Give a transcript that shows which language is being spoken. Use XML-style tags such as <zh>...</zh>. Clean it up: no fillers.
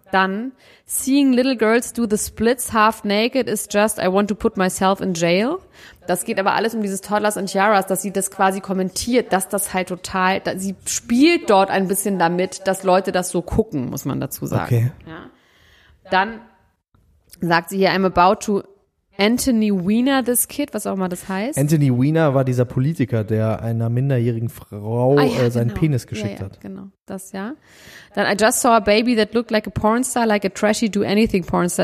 <de>Dann,</de> <en>seeing little girls do the splits half naked is just I want to put myself in jail.</en> <de>Das geht aber alles um dieses Toddlers and Tiaras, dass sie das quasi kommentiert, dass das halt total, dass sie spielt dort ein bisschen damit, dass Leute das so gucken, muss man dazu sagen. Okay. Ja. Dann sagt sie hier,</de> <en>I'm about to Anthony Weiner, this kid,</en> <de>was auch immer das heißt. Anthony Weiner war dieser Politiker, der einer minderjährigen Frau seinen Penis geschickt hat. Genau, das ja. Dann,</de> <en>I just saw a baby that looked like a pornstar, like a trashy do anything pornstar.</en>